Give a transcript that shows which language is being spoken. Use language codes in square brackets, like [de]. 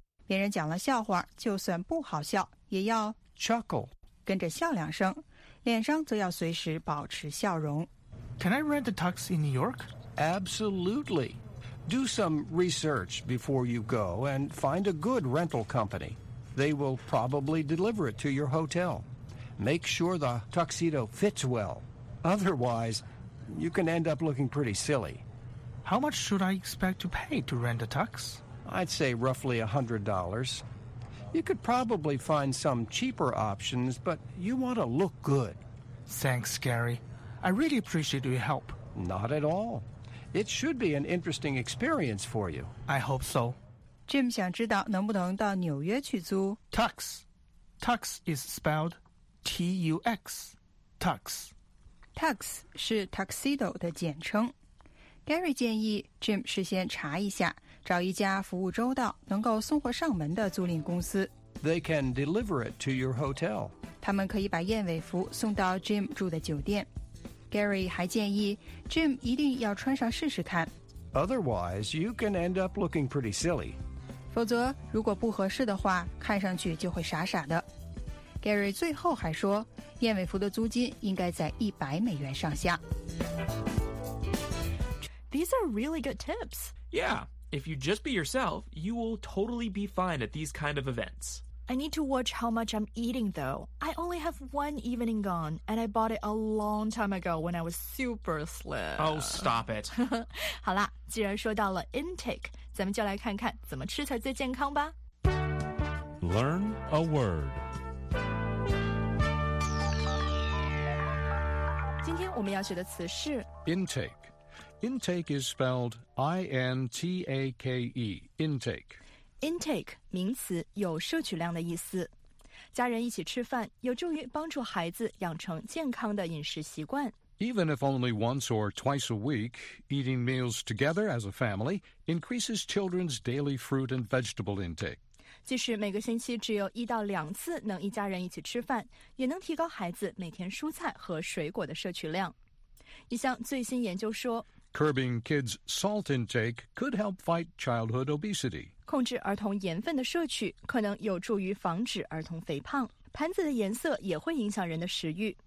[zh] 别人讲了笑话就算不好笑也要 [en] chuckle. [zh] 跟着笑两声。脸上则要随时保持笑容。 [en] Can I rent a tux in New York? Absolutely. Do some research before you go and find a good rental company. They will probably deliver it to your hotel. Make sure the tuxedo fits well. Otherwise, you can end up looking pretty silly. How much should I expect to pay to rent a tux? I'd say roughly $100. You could probably find some cheaper options, but you want to look good. Thanks, Gary. I really appreciate your help. Not at all. It should be an interesting experience for you. I hope so. [zh] Jim 想知道能不能到纽约去租 [en] Tux. Tux is spelled T-U-X. Tux. [zh] Tux 是 tuxedo 的简称。 Gary 建议 Jim 事先查一下找一家服务周到能够送货上门的租赁公司 [en] They can deliver it to your hotel [zh] 他们可以把燕尾服送到 Jim 住的酒店 Gary 还建议 Jim 一定要穿上试试看 [en] Otherwise you can end up looking pretty silly [zh] 否则如果不合适的话看上去就会傻傻的 Gary 最后还说燕尾服的租金应该在$100上下 [en] These are really good tips Yeah If you just be yourself, you will totally be fine at these kind of events. I need to watch how much I'm eating, though. I only have one evening gone, and I bought it a long time ago when I was super slim. Oh, stop it. [zh] 好啦，既然说到了 intake, 咱们就来看看怎么吃才最健康吧。 [en] Learn a word. [zh] 今天我们要学的词是 [en] intake. Intake is spelled I-N-T-A-K-E, intake. [zh] Intake, 名词有摄取量的意思。家人一起吃饭有助于帮助孩子养成健康的饮食习惯。 [en] Even if only once or twice a week, eating meals together as a family increases children's daily fruit and vegetable intake. [zh] 即使每个星期只有一到两次能一家人一起吃饭也能提高孩子每天蔬菜和水果的摄取量。一项最新研究说 [en] Curbing kids' salt intake could help fight childhood obesity. [zh] 控制儿童盐分的摄取可能有助于防止儿童肥胖。盘子的颜色也会影响人的食欲。